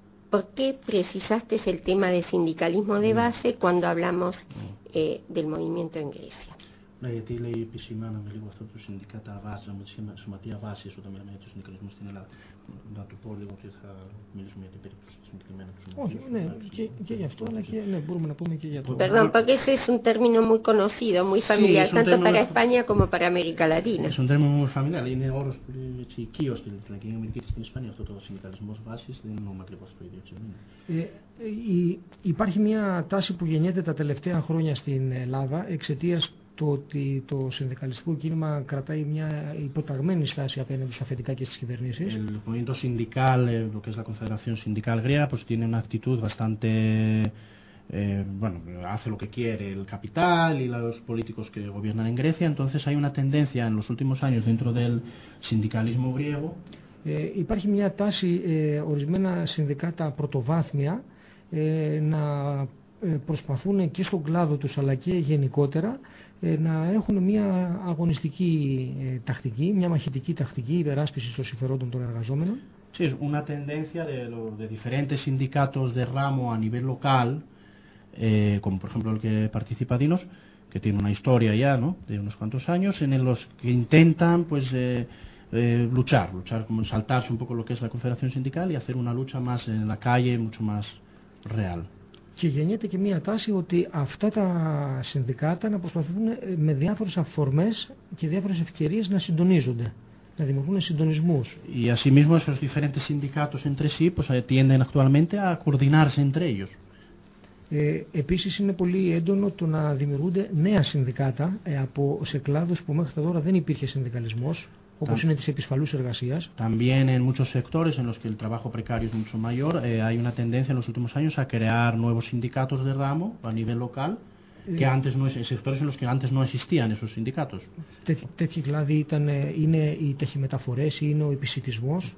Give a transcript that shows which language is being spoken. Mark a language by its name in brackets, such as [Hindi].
[Spanish] ¿Por qué precisaste el tema de sindicalismo de base cuando hablamos del movimiento en Grecia? La gente le pisima no me digo hasta tu sindicato base, la muchísima sumatía base, eso también me ha dicho sindicalismo tiene la da tu pueblo que está miles de periodos sindicalmente. [Greek] Όχι, ναι, και γι' αυτό, αλλά και μπορούμε να πούμε και για το... [Spanish] Perdón, porque ese es un término muy conocido, muy familiar, tanto para España como para América Latina. Es un término muy familiar, [Greek] είναι όρος οικείος στην Αμερική και στην Ισπανία, αυτό το συνδικαλισμός βάσης δεν είναι όμως ακριβώς το ίδιο. Υπάρχει μια τάση που γεννιέται τα τελευταία χρόνια στην Ελλάδα εξαιτίας του ότι το συνδικαλιστικό κίνημα κρατάει μια υποταγμένη στάση απέναντι στα αφεντικά και στις κυβερνήσεις. [Spanish] El movimiento sindical, lo que es la Confederación Sindical Griega, pues tiene una actitud bastante... bueno, hace lo que quiere el capital y los políticos que gobiernan en Grecia. Entonces hay una tendencia en los últimos años dentro del sindicalismo griego. [Greek] Υπάρχει μια τάση ορισμένα συνδικάτα πρωτοβάθμια να προσπαθούν και στον κλάδο τους αλλά και γενικότερα να έχουν μια αγωνιστική τακτική, μια μαχητική τακτική υπεράσπισης των συμφερόντων των εργαζόμενων. [Spanish] Sí, es una tendencia de diferentes sindicatos de ramo a nivel local, como por ejemplo el que participa Dinos, que tiene una historia ya, ¿no? De unos cuantos años, en los que intentan pues luchar, como saltarse un poco lo que es la confederación sindical y hacer una lucha más en la calle, mucho más real. [Greek] Και γεννιέται και μια τάση ότι αυτά τα συνδικάτα να προσπαθούν με διάφορες αφορμές και διάφορες ευκαιρίες να συντονίζονται, να δημιουργούν συντονισμούς. [Spanish] Y asimismo esos diferentes sindicatos entre sí pues tienden actualmente a coordinarse entre ellos. [Greek] Επίσης είναι πολύ έντονο το να δημιουργούνται νέα συνδικάτα από σε κλάδους που μέχρι τώρα δεν υπήρχε συνδικαλισμός, όπως είναι της επισφαλούς εργασίας. [Spanish] También en muchos sectores en los que el trabajo precario es mucho mayor, hay una tendencia en los últimos años a crear nuevos sindicatos de ramo a nivel local, que antes no es, sectores en los que antes no existían esos sindicatos. [Greek] Τέτοιοι κλάδοι είναι οι ταχυμεταφορές ή είναι ο επισητισμός.